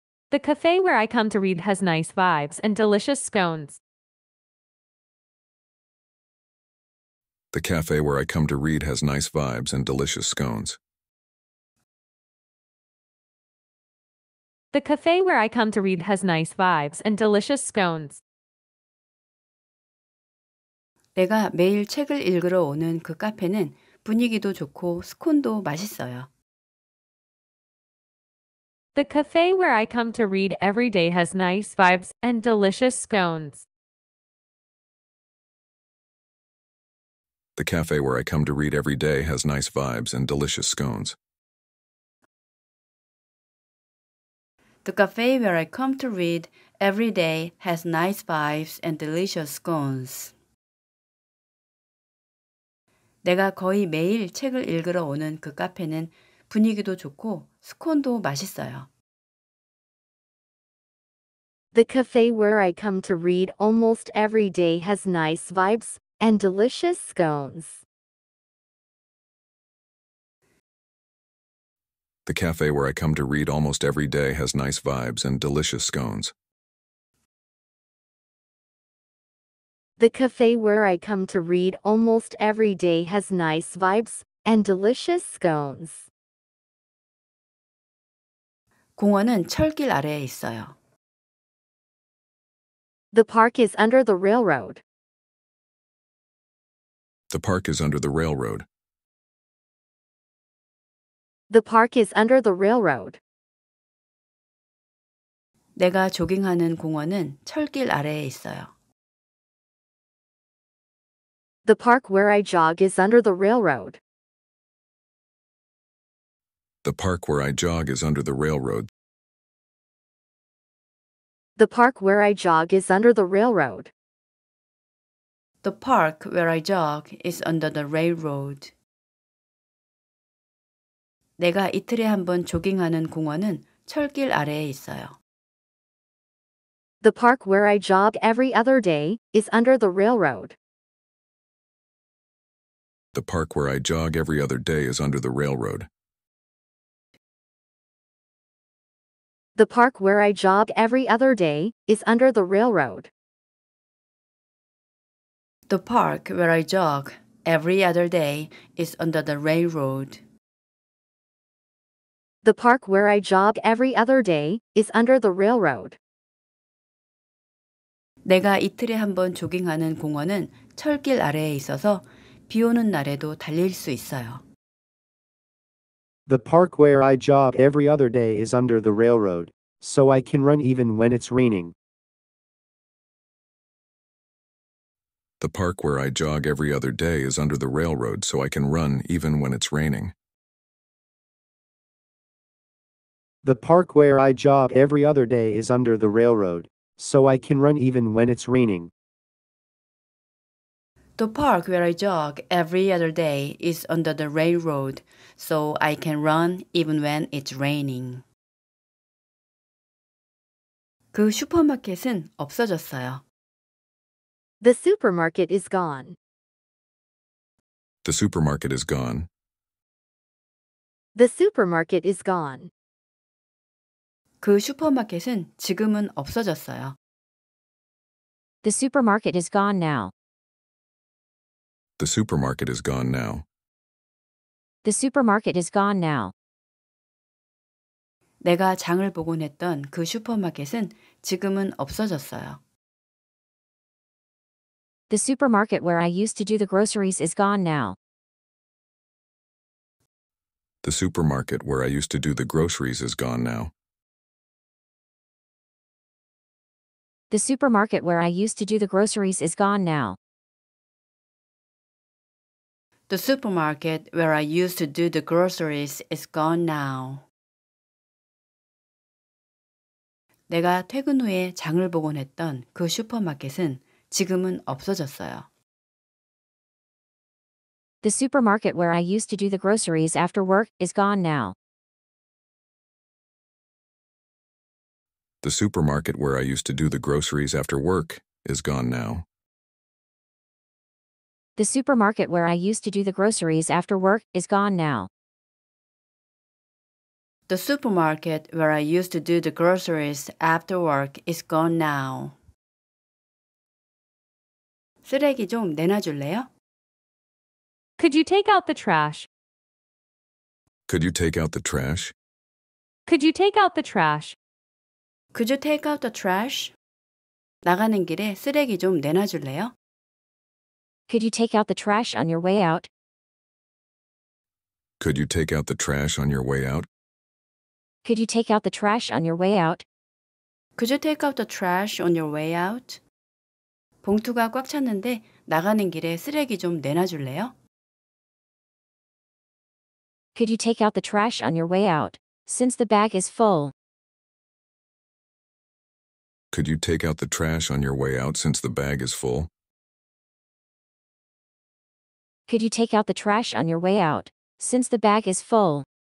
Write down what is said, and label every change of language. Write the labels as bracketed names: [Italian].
[English] The cafe where I come to read has nice vibes and delicious scones. The cafe where I come to read has nice vibes and delicious scones. The cafe where I come to read has nice vibes and delicious scones. [Korean] 내가 매일 책을 읽으러 오는 그 카페는 분위기도 좋고 스콘도 맛있어요. [English] The cafe where I come to read every day has nice vibes and delicious scones. The cafe where I come to read every day has nice vibes and delicious scones. The cafe where I come to read every day has nice vibes and delicious scones. [Korean] 내가 거의 매일 책을 읽으러 오는 그 카페는 분위기도 좋고 스콘도 맛있어요. [English] The cafe where I come to read almost every day has nice vibes and delicious scones. The cafe where I come to read almost every day has nice vibes and delicious scones. The cafe where I come to read almost every day has nice vibes and delicious scones. [Korean] 공원은 철길 아래에 있어요. [English] The park is under the railroad. The park is under the railroad. The park is under the railroad. [Korean] 내가 조깅하는 공원은 철길 아래에 있어요. [English] The park where I jog is under the railroad. The park where I jog is under the railroad. The park where I jog is under the railroad. The park where I jog is under the railroad. [Korean] 내가 이틀에 한 번 조깅하는 공원은 철길 아래에 있어요. [English] The park where I jog every other day is under the railroad. The park where I jog every other day is under the railroad. The park where I jog every other day is under the railroad. The park where I jog every other day is under the railroad. The park where I jog every other day is under the railroad. [Korean] 내가 이틀에 한 번 조깅하는 공원은 철길 아래에 있어서 비 오는 날에도 달릴 수 있어요. [English] The park where I jog every other day is under the railroad, so I can run even when it's raining. The park where I jog every other day is under the railroad, so I can run even when it's raining. The park where I jog every other day is under the railroad, so I can run even when it's raining. The park where I jog every other day is under the railroad, so I can run even when it's raining. [Korean] 그 슈퍼마켓은 없어졌어요. [English] The supermarket is gone. The supermarket is gone. The supermarket is gone. [Korean] 그 슈퍼마켓은 지금은 없어졌어요. [English] The supermarket is gone now. The supermarket is gone now. The supermarket is gone now. [Korean] 내가 장을 보곤 했던 그 슈퍼마켓은 지금은 없어졌어요. [English] The supermarket where I used to do the groceries is gone now. The supermarket where I used to do the groceries is gone now. The supermarket where I used to do the groceries is gone now. The supermarket where I used to do the groceries is gone now. [Korean] 내가 퇴근 후에 장을 보곤 했던 그 슈퍼마켓은 지금은 없어졌어요. [English] The supermarket where I used to do the groceries after work is gone now. The supermarket where I used to do the groceries after work is gone now. The supermarket where I used to do the groceries after work is gone now. The supermarket where I used to do the groceries after work is gone now. [Korean] 쓰레기 좀 내놔줄래요? [English] Could you take out the trash? Could you take out the trash? Could you take out the trash? Could you take out the trash? [Korean] 나가는 길에 쓰레기 좀 내놔줄래요? [English] Could you take out the trash on your way out? Could you take out the trash on your way out? Could you take out the trash on your way out? Could you take out the trash on your way out? [Korean] 봉투가 꽉 찼는데 나가는 길에 쓰레기 좀 내놔줄래요? [English] Could you take out the trash on your way out? Since the bag is full. Could you take out the trash on your way out since the bag is full? Could you take out the trash on your way out since the bag is full?